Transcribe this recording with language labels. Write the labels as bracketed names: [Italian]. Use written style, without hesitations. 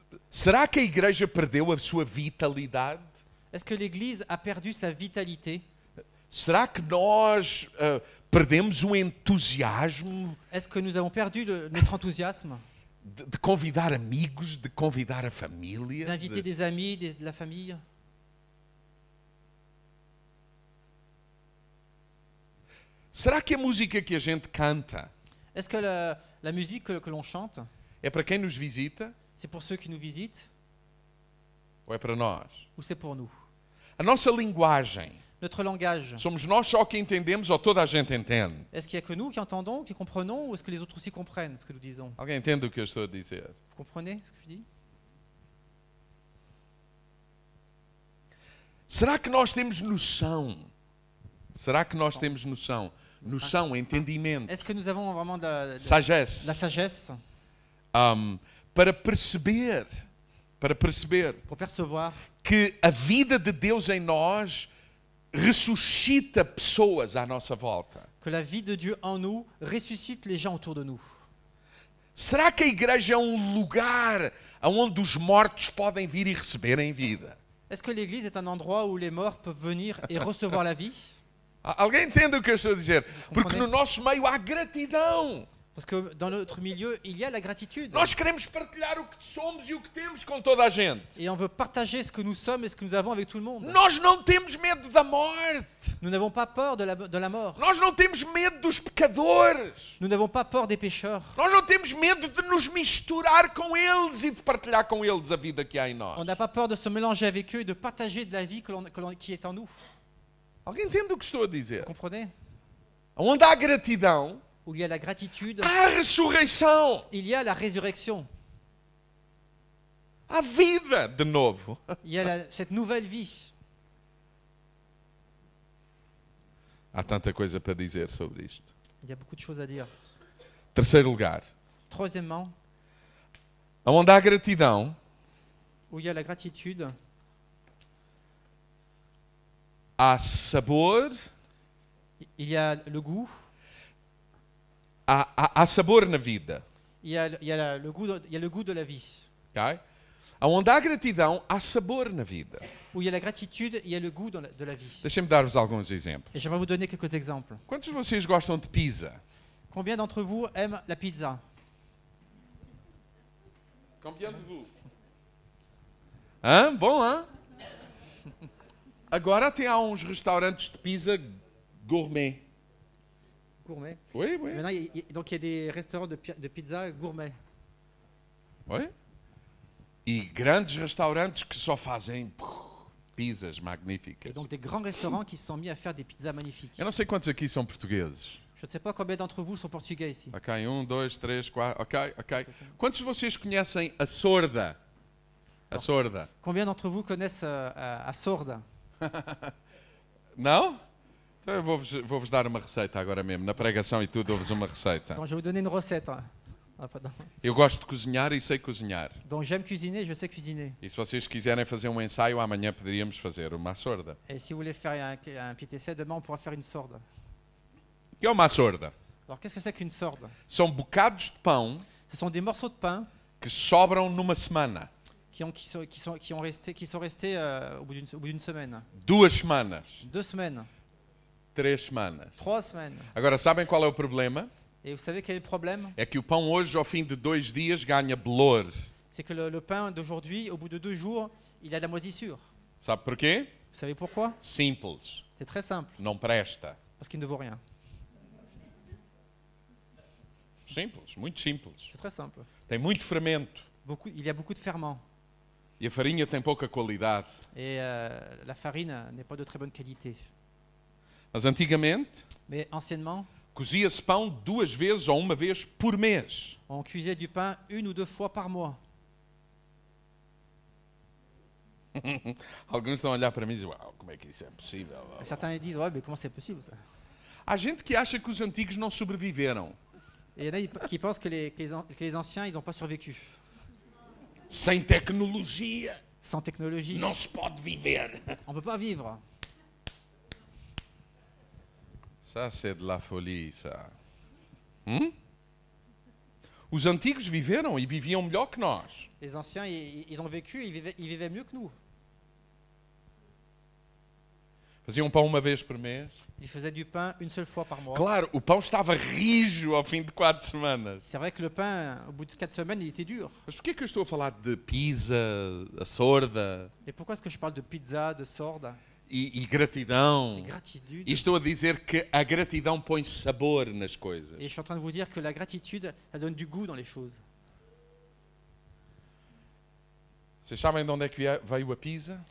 [Portuguese] Será que a igreja perdeu a sua vitalidade? [French] Est-ce que l'église a perdu sa vitalité? [Portuguese] Será que nós perdemos o entusiasmo? [French] Est-ce que nous avons perdu notre enthousiasme? [Portuguese] De convidar amigos, de convidar a família. [French] D'inviter des amis, de la famille. [Portuguese] Será que a música que a gente canta? [French] Est-ce que la musique que l'on chante? [Portuguese] É para quem nos visita? [French] C'est pour ceux qui nous visitent? [Portuguese] Ou é para nós? [French] Ou c'est pour nous? [Portuguese] A nossa linguagem. [French] Notre langage. [Portuguese] Somos nós só que entendemos ou toda a gente entende? [French] Est-ce qu'il y a que nous qui entendons, qui comprenons ou est-ce que les autres aussi comprennent ce que nous disons? [Portuguese] Alguém entende o que eu estou a dizer? [French] Vous comprenez ce que je dis? [Portuguese] Será que nós temos noção? Será que nós temos noção? Noção, entendimento. [French] Est-ce que nous avons vraiment sagesse. La sagesse? [Portuguese] Para perceber, [French] pour percevoir [Portuguese] que a vida de Deus em nós ressuscita pessoas à nossa volta. [French] Que la vie de Dieu en nous ressuscite les gens autour de nous. [Portuguese] Será que a igreja é um lugar aonde os mortos podem vir e receberem vida? [French] Est-ce que l'église est un endroit où les morts peuvent venir et recevoir la vie? [Portuguese] Alguém entende o que eu estou a dizer? Porque no nosso meio há gratidão. [French] Parce que dans notre milieu, il y a la gratitude. [Portuguese] Nós queremos partilhar o que somos e o que temos com toda a gente. [French] Et on veut partager ce que nous sommes et ce que nous avons avec tout le monde. [Portuguese] Nós não temos medo da morte. [French] Nous n'avons pas peur de la mort. [Portuguese] Nós não temos medo dos pecadores. [French] Nous n'avons pas peur des pécheurs. [Portuguese] Nós não temos medo de nos misturar com eles e de partilhar com eles a vida que há em nós. [French] On n'a pas peur de se mélanger avec eux et de partager de la vie qui est en nous. [Portuguese] Alguém entende o que estou a dizer? [French] Vous comprenez? [Portuguese] Onde há gratidão, [French] où il y a la gratitude, [Portuguese] a ressurreição, [French] il y a la résurrection, [Portuguese] a vida de novo, [French] il y a cette nouvelle vie. [Portuguese] Há tanta coisa para dizer sobre isto. [French] Il y a beaucoup de choses à dire. [Portuguese] Terceiro lugar. [French] Troisièmement. [Portuguese] Onde há gratidão, [French] où il y a la gratitude, [Portuguese] há sabor, [French] il y a le goût. [Portuguese] Há sabor na vida. [French] Il y a le goût de la vie. [English] Okay? [Portuguese] Onde há gratidão, há sabor na vida. [French] Où il y a la gratitude, il y a le goût de la vie. [Portuguese] Deixem-me dar-vos alguns exemplos. [French] Et j'aimerais vous donner quelques exemples. [Portuguese] Quantos de vocês gostam de pizza? [French] Combien d'entre vous aiment la pizza? Combien de vous? Hein? Bom, hein? [Portuguese] Agora até há uns restaurantes de pizza gourmet. [French] Gourmet. Oui, oui. Maintenant, donc il y a des restaurants de pizza gourmet. Oui. Et grands restaurants qui [Portuguese] só fazem [French] pizzas magnifiques. Et donc des grands restaurants qui se sont mis à faire des pizzas magnifiques. [Portuguese] Eu não sei quantos aqui são portugueses. [French] Je ne sais pas combien d'entre vous sont portugais ici. [English] OK, 1, 2, 3, 4. OK, OK. [Portuguese] Quantos de vocês conhecem a Sorda? A Sorda. [French] Combien d'entre vous connaissent a Sorda? [Portuguese] Não? Eu vou-vos dar uma receita agora mesmo. Na pregação e tudo, dou-vos uma receita. Então, eu vou dar uma receita. Eu gosto de cozinhar e sei cozinhar. [French] Então, j'aime cuisiner, je sais cuisiner. [Portuguese] E se vocês quiserem fazer um ensaio, amanhã poderíamos fazer uma sorda. [French] E se vous voulez faire un petit essai, demain on pourra faire une sorda. [Portuguese] O que é uma sorda? [French] Alors, qu'est-ce que c'est qu'une sorda? [Portuguese] São bocados de pão. [French] Ce sont des morceaux de pain. [Portuguese] Que sobram numa semana. [French] Qui sont restés au bout d'une semaine. [Portuguese] Duas semanas. [French] Deux semaines. [Portuguese] Três semanas. [French] Trois semaines. [Portuguese] Agora, sabem qual é o problema? [French] Et vous savez quel est le problème? [Portuguese] É que o pão hoje, ao fim de dois dias, ganha bolor. [French] C'est que le pain d'aujourd'hui, au bout de deux jours, il a de la moisissure. [Portuguese] Sabe porquê? [French] Vous savez pourquoi? [Portuguese] Simples. [French] C'est très simple. [Portuguese] Não presta. [French] Parce qu'il ne vaut rien. [Portuguese] Simples, muito simples. [French] C'est très simple. [Portuguese] Tem muito fermento. [French] Beaucoup, il y a beaucoup de ferment. [Portuguese] E a farinha tem pouca qualidade. [French] Et la farine n'est pas de très bonne qualité. [Portuguese] Mas antigamente, [French] mais anciennement, [Portuguese] cozia-se pão duas vezes ou uma vez por mês. [French] On cuisait du pain une ou deux fois par mois. [Portuguese] Alguns estão a olhar para mim e dizem, uau, como é que isso é possível? [French] Certains disent, ouais, mais comment c'est possible ça? [Portuguese] Há gente que acha que os antigos não sobreviveram. [French] Il y en a qui pensent que les anciens, ils n'ont pas survécu. [Portuguese] Sem tecnologia. [French] Sans technologie. [Portuguese] Não se pode viver. [French] On peut pas vivre. Ça, c'est de la folie, ça. Hum? [Portuguese] Os antigos viveram e viviam melhor que nós. [French] Les anciens, ils ont vécu et ils vivaient mieux que nous. [Portuguese] Faziam pão uma vez por mês. [French] Ils faisaient du pain une seule fois par mois. [Portuguese] Claro, o pão estava rijo ao fim de 4 semanas. [French] C'est vrai que le pain, au bout de 4 semaines, il était dur. [Portuguese] Mas porquê que eu estou a falar de pizza, a sorda? [French] Et pourquoi est-ce que je parle de pizza, de sorda? [Portuguese] E gratidão. [French] Et gratitude. [Portuguese] E estou a dizer que a gratidão põe sabor nas coisas. [French] Et je suis en train de vous dire que la gratitude, elle donne du goût dans les choses. [Portuguese] Vocês sabem de onde é que veio a pizza?